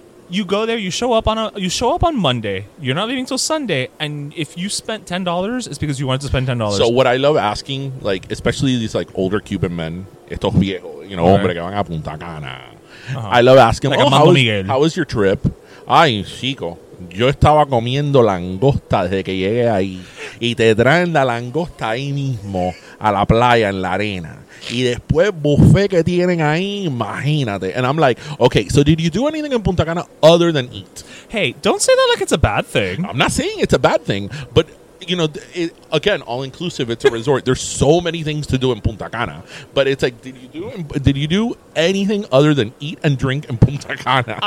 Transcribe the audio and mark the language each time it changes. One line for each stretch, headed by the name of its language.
English: You go there, you show up on Monday, you're not leaving till Sunday, and if you spent $10, it's because you wanted to spend $10. So what I love asking, like, especially these, like, older Cuban men,
Spanish: estos viejos,
English: you know,
Spanish: hombre que van a Punta Cana.
English: I love asking, like, how was your trip?
Spanish: Ay, chico, yo estaba comiendo langosta desde que llegué ahí, y te traen la langosta ahí mismo, a la playa, en la arena. Y después buffet que tienen ahí, imagínate.
English: And I'm like, okay, so did you do anything in Punta Cana other than eat? Hey, don't say that like it's a bad thing. I'm not saying it's a bad thing, but, you know, again, all inclusive, it's a resort. There's so many things to do in Punta Cana, but it's like, did you do anything other than eat and drink in Punta Cana?